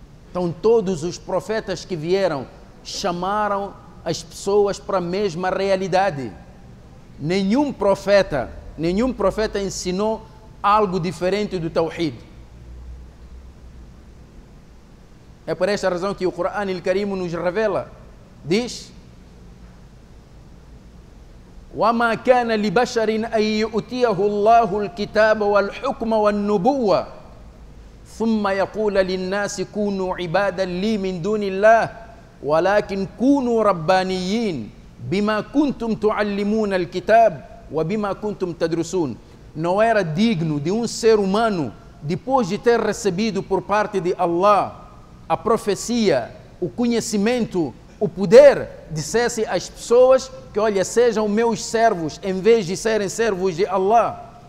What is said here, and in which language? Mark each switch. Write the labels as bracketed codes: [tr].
[pt] Então, todos os profetas que vieram chamaram as pessoas para a mesma realidade. Nenhum profeta ensinou algo diferente do Tawhid. É por esta razão que o Corão al-Karim nos revela. [ar] Diz: وَمَا كَانَ لِبَشَرٍ أَن يُؤْتِيَهُ اللَّهُ الْكِتَابَ وَالْحُكْمَ وَالنُّبُوَّةَ ثم يقول للناس كونوا عبادا لي من دون الله ولكن كونوا ربانيين بما كنتم تعلمون الكتاب وبما كنتم تدرسون. [pt] Não era digno de um ser humano, depois de ter recebido por parte de Allah a profecia, o conhecimento, o poder, dissesse às pessoas que, olha, sejam meus servos em vez de serem servos de Allah.